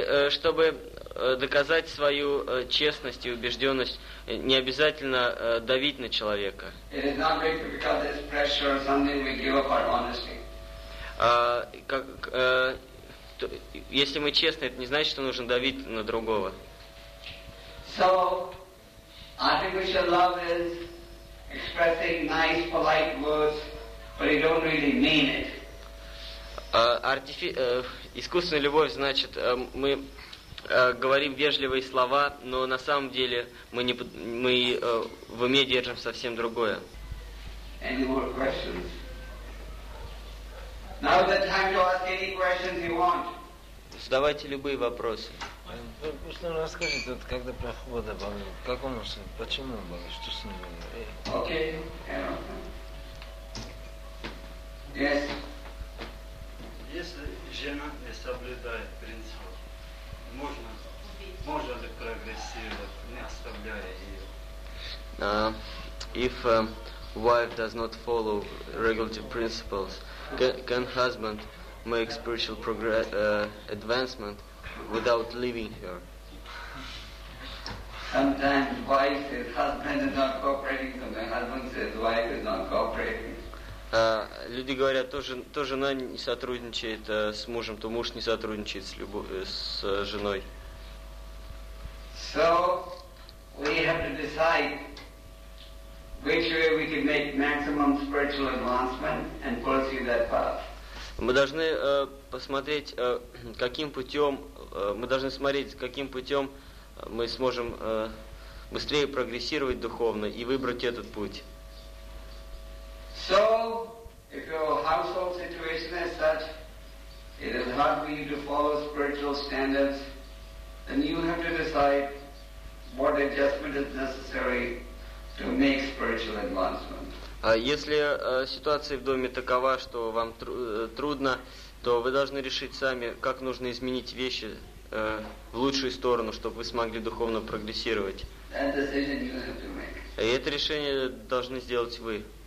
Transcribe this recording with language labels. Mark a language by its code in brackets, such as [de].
[ru] Чтобы доказать свою честность и убежденность, не обязательно давить на человека. Если мы честны, это не значит, что нужно давить на другого. [en] So, artificial love is expressing nice, polite words, but you don't really mean it. [ru] Искусственная любовь значит, мы говорим вежливые слова, но на самом деле мы в уме держим совсем другое. [en] Any more questions? Now is the time to ask any questions you want. [ru] Задавайте любые вопросы. Просто расскажите, вот когда проход обалил, как он уже, почему он обалил, что с ним было? Окей. [en] Yes. [ru] Если жена не соблюдает принципов, можно ли прогрессировать, не оставляя ее? [en] If wife does not follow regulative principles, can husband make spiritual progress, advancement without leaving her? Sometimes wife says husband is not cooperating, sometimes husband says wife is not cooperating. [ru] Люди говорят, то жена не сотрудничает с мужем, то муж не сотрудничает с женой. [en] So, we have to decide which way we can make maximum spiritual advancement and pursue that path. [ru] Мы должны посмотреть, каким путем мы должны смотреть, каким путем мы сможем быстрее прогрессировать духовно и выбрать этот путь. [en] So, if your household situation is such, it is hard for you to follow spiritual standards, then you have to decide what adjustment is necessary to make spiritual advancement. [ru] Если ситуация в доме такова, что вам трудно, то вы должны решить сами, как нужно изменить вещи в лучшую сторону, чтобы вы смогли духовно прогрессировать. [en] That decision you have to make. [ru] И это решение должны сделать вы.